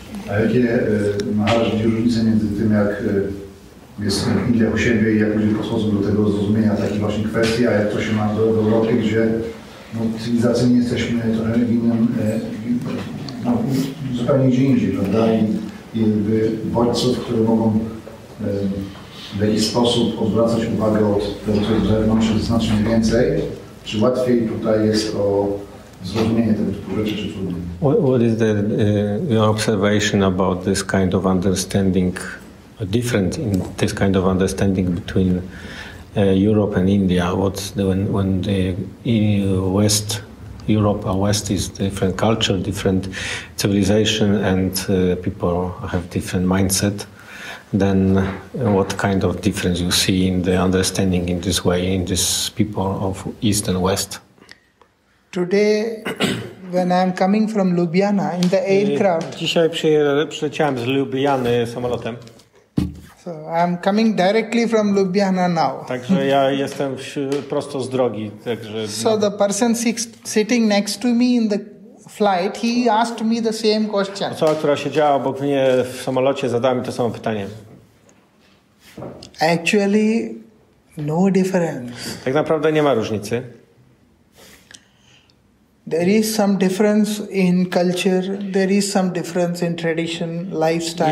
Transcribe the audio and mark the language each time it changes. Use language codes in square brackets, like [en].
[pl] A jakie masz różnice między tym, jak jest chętnie u siebie i jak ludzie podchodzą do tego zrozumienia takich właśnie kwestii, a jak to się ma do Europy, gdzie no, cywilizacyjnie jesteśmy trochę w innym, no, zupełnie gdzie indziej, prawda? I jakby bodźców, które mogą w jakiś sposób odwracać uwagę od tego, co jest zewnątrz, jest znacznie więcej. Czy łatwiej tutaj jest o zrozumienie tego typu rzeczy, czy trudniej? [en] What is the, your observation about this kind of understanding, different in this kind of understanding between Europe and India? What's the, when the West Europe or West is different culture, different civilization, and people have different mindset, then what kind of difference you see in the understanding in this way, in this people of East and West? Today, when I'm coming from Ljubljana in the aircraft. [pl] Dzisiaj przyleciałem z Ljubljany samolotem. [en] So I'm coming directly from Ljubljana now. [pl] Także ja jestem prosto z drogi. Także. [en] So the person sitting next to me in the flight, he asked me the same question. [pl] Osoba, która siedziała obok mnie w samolocie, zadała mi to samo pytanie. [en] Actually, no difference. [pl] Tak naprawdę nie ma różnicy. [en] There is some difference in culture, there is some difference in tradition, lifestyle,